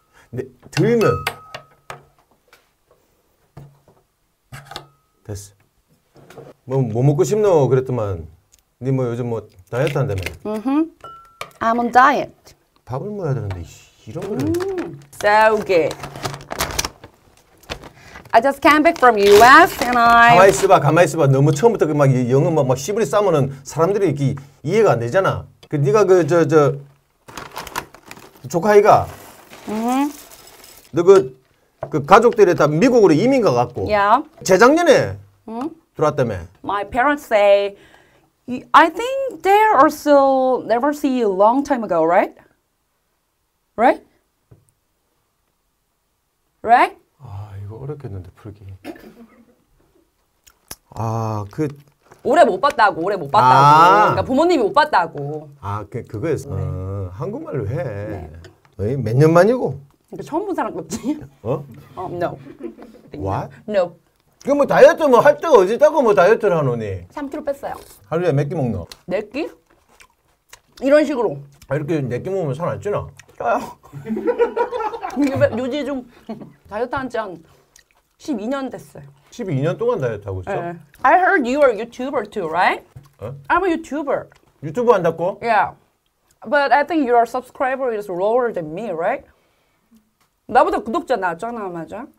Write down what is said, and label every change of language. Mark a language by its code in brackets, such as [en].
[ko] 네, 들면. 됐어. 뭐 먹고 싶노? 그랬더만. 니 뭐 요즘 뭐 다이어트 한다며? [en] 음흠. I'm on diet. [ko] 밥을 먹어야 되는데 이런 거를. [en] So good. I just came back from US and I. [ko] 가만히 있어봐, 가만히 있어봐. 너무 처음부터 막 영어 막 시부리 싸면은 사람들이 이렇게 이해가 안 되잖아. 그 네가 그 저 조카이가. 너 그 가족들이 다 미국으로 이민 가 갖고. [en] Yeah. [ko] 재작년에. 들어왔다며. [en] My parents say, I think they also never see you long time ago, right? Right? Right? [ko] 아 이거 어렵겠는데 풀기. 아 그 오래 못 봤다고 오래 못 봤다고. 아~ 그러니까 부모님이 못 봤다고. 아 그거였어. 네. 어, 한국말로 해. 네. 에이, 몇 년 만이고? 그러니까 처음 본 사람 없지? 어? [en] No. What? No. [ko] 그 뭐 다이어트 뭐 할 때가 어디 있다고 뭐 다이어트를 하노니? 3kg 뺐어요. 하루에 몇 끼 먹노? 네 끼? 이런 식으로. 아 이렇게 네 끼 먹으면 살 안 찌나? 쪄요. 요지 좀 다이어트 한 지 한 12년 됐어요. 12년 동안 다이어트 하고 있어? 네. [en] I heard you are a YouTuber too, right? [ko] 어? [en] I'm a YouTuber. [ko] 유튜브 한다고? [en] Yeah. But I think your subscriber is lower than me, right? [ko] 나보다 구독자 낮잖아, 맞아?